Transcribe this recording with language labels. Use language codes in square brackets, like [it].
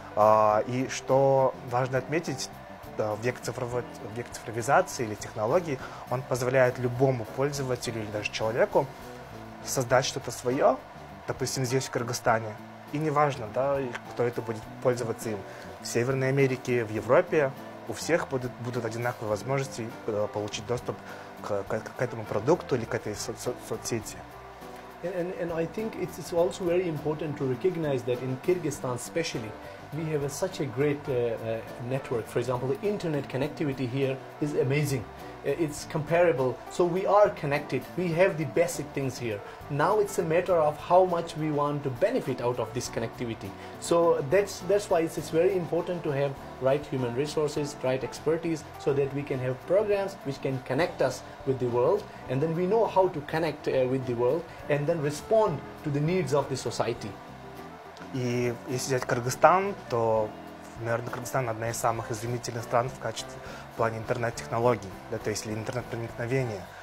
[ru] И что важно отметить, век цифровизации или технологий, он позволяет любому пользователю или даже человеку создать что-то свое, допустим, здесь, в Кыргызстане. И неважно, да, кто это будет пользоваться им. В Северной Америке, в Европе у всех будут одинаковые возможности получить доступ к этому продукту или к этой соцсети. [en] And I think it's also very important to recognize that in Kyrgyzstan especially, we have such a great network. For example, the internet connectivity here is amazing. It's comparable. So we are connected. We have the basic things here. Now it's a matter of how much we want to benefit out of this connectivity. So that's why it's very important to have right human resources, right expertise, so that we can have programs which can connect us with the world. And then we know how to connect with the world and then respond to the needs of the society. [ru] И если взять Кыргызстан, то, наверное, Кыргызстан одна из самых изумительных стран в плане интернет-технологий, да, то есть или интернет-проникновения.